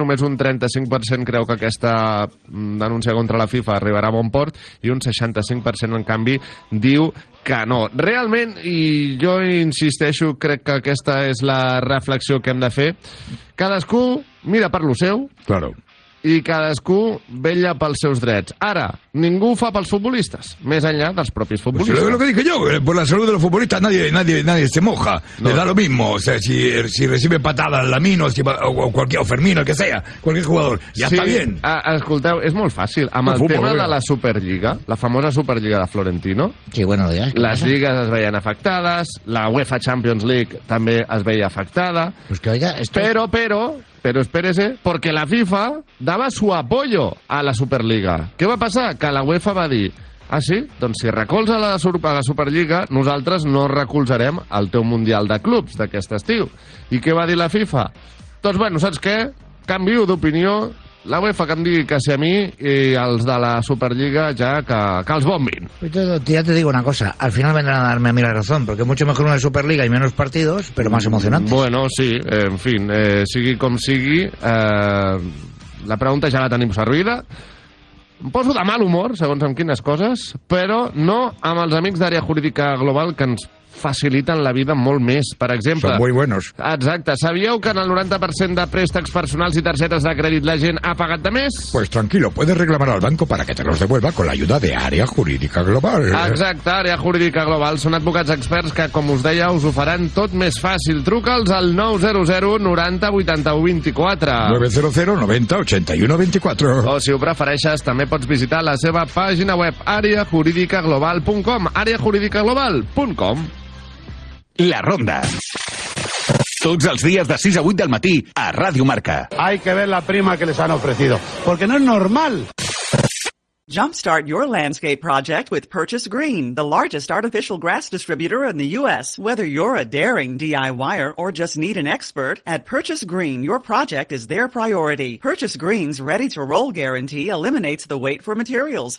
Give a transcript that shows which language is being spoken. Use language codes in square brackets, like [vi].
[ca] Només un 35% creu que aquesta denúncia contra la FIFA arribarà a bon port i un 65%, en canvi, diu que no. Realment, i jo insisteixo, crec que aquesta és la reflexió que hem de fer, cadascú mira per lo seu, [es] claro, [ca] i cadascú vella pels seus drets. Ara, ningú ho fa pels futbolistes, més enllà dels propis futbolistes. [es] Pues si lo que dije yo, por la salud de los futbolistas nadie se moja, no. Le da lo mismo, o sea, si recibe patada el Lamin o, si, o cualquier, o Fermín, el que sea, cualquier jugador, ya sí, está bien. [ca] Escolteu, és molt fàcil, amb el futbol, tema de la Superliga, la famosa Superliga de Florentino, [es] sí, bueno, ya, [ca] les lligues es veien afectades, la UEFA Champions League també es veia afectada, [es] pues que, oiga, esto... Pero espérese, porque la FIFA daba su apoyo a la Superliga. ¿Qué va a pasar? [ca] Que la UEFA va a dir, ah, sí? Doncs si recolza la Superliga, nosaltres no recolzarem el teu Mundial de Clubs d'aquest estiu. I què va dir la FIFA? Doncs, bueno, saps què? Canvio d'opinió. La UEFA que em digui que sí a mi i els de la Superliga ja que els bombin. [es] Ya te digo una cosa, al final vendrán a darme a mí la razón, porque mucho mejor una Superliga y menos partidos, pero más emocionantes. [ca] Bueno, sí, en fin, sigui com sigui, la pregunta ja la tenim servida. Em poso de mal humor, segons amb quines coses, però no amb els amics d'Àrea Jurídica Global que ens faciliten la vida molt més, per exemple. Són molt bons. Exacte. Sabíeu que en el 90% de préstecs personals i targetes de crèdit la gent ha pagat de més? [es] Pues tranquilo, puedes reclamar al banco para que te los devuelva con la ayuda de Àrea Jurídica Global. [ca] Exacte, Àrea Jurídica Global. Són advocats experts que, com us deia, us ho faran tot més fàcil. Truca'ls al 900 90 81 24. 900 90 81 24. O si ho prefereixes, també pots visitar la seva pàgina web areajuridicaglobal.com. areajuridicaglobal.com. La Ronda. Tots els dies de 6 a 8 del matí a Ràdio Marca. [es] Hay que ver la prima que les han ofrecido, porque no es normal. [en] Jumpstart your landscape project with Purchase Green, the largest artificial grass distributor in the U.S. Whether you're a daring DIYer or just need an expert, at Purchase Green, your project is their priority. Purchase Green's ready-to-roll guarantee eliminates the wait for materials.